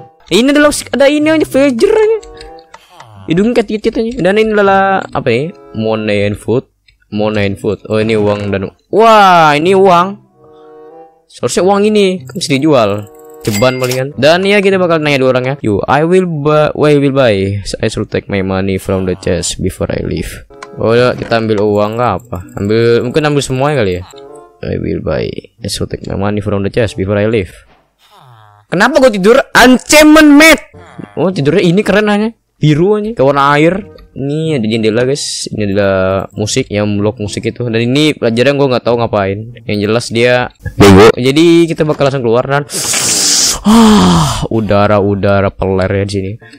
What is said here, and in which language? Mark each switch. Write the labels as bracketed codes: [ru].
[id] Ini ada ini aja villager-nya. Hidung kayak titit aja. Dan ini adalah apa nih? [en] Money and food. Money and food. [id] Oh ini uang dan wah, ini uang. Seharusnya uang ini kan bisa dijual. Ceban palingan. Dan ya kita bakal nanya dua orang ya. [en] You, I will buy. So, I should take my money from the chest before I leave. [id] Oh ya, kita ambil uang gak apa? Mungkin ambil semuanya kali ya. [en] I will buy. I should take my money from the chest before I leave. [id] Kenapa gua tidur? Enchantment mat. Oh tidurnya ini keren aja. Biru aja. Ke warna air. Ini ada jendela guys. Ini adalah musik yang blok musik itu. Dan ini pelajaran gua nggak tahu ngapain. Yang jelas dia. Jadi kita bakal langsung keluar dan. udara peler ya di sini.